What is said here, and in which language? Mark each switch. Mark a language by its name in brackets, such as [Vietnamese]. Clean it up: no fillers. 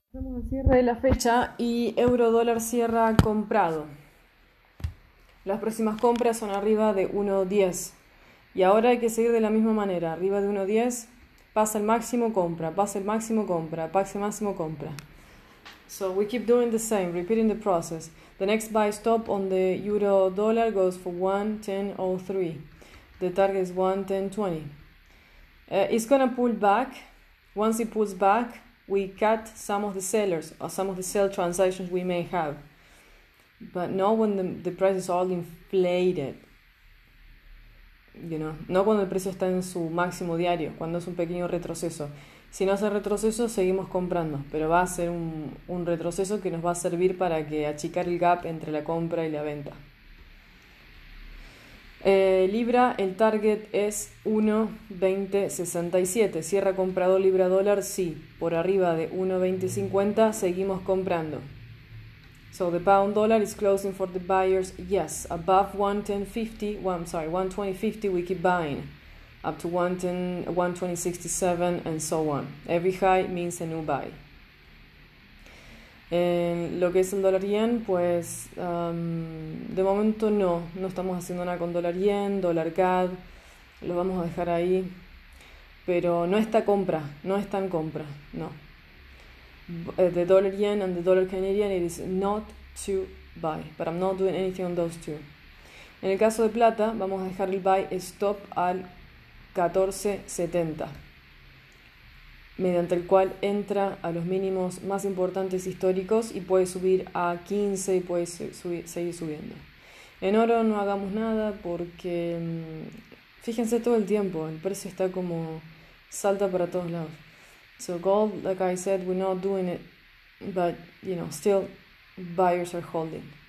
[Spanish] Estamos al cierre de la fecha y eurodólar cierra comprado. Las próximas compras son arriba de 1.10. Y ahora hay que seguir de la misma manera, arriba de 1.10, pasa el máximo compra, pasa el máximo compra, pasa el máximo compra. [English] So we keep doing the same, repeating the process. The next buy stop on the euro dollar goes for 1.1003. The target is 1.1020. It's gonna pull back. Once it pulls back, we cut some of the sellers or some of the sell transactions we may have. But not when the price is all inflated. [Spanish] No cuando el precio está en su máximo diario, cuando es un pequeño retroceso. Si no hace retroceso, seguimos comprando, pero va a ser un retroceso que nos va a servir para que achicar el gap entre la compra y la venta. Libra, el target es 1.2067. Cierra comprado Libra dólar, sí. Por arriba de 1.2050, seguimos comprando. [English] So the pound dollar is closing for the buyers, yes. Above 1.1050, well, I'm sorry, 1.2050, we keep buying. Up to 1.2067 and so on. Every high means a new buy. [Spanish] En lo que es el dólar yen, pues de momento no estamos haciendo nada con dólar yen, dólar CAD, lo vamos a dejar ahí. Pero no está compra, no está en compra, no. [English] The dollar yen and the dollar Canadian, it is not to buy, but I'm not doing anything on those two. [Spanish] En el caso de plata, vamos a dejar el buy stop al 14.70, mediante el cual entra a los mínimos más importantes históricos y puede subir a 15 y puede seguir subiendo. En oro no hagamos nada porque fíjense todo el tiempo, el precio está como salta para todos lados. [English] So gold, like I said, we're not doing it, but still buyers are holding.